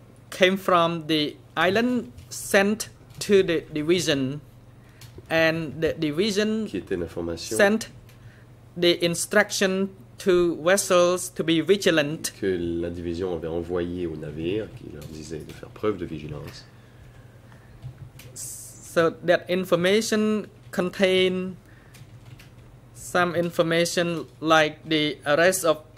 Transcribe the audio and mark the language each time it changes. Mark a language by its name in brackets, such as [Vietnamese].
[English] came from the island sent to the division, and the division [French] qui était l'information [English] sent the instruction to vessels to be vigilant. [French] Que la division avait envoyé aux navires qui leur disait de faire preuve de vigilance. [English] So that information contained some information like the arrest of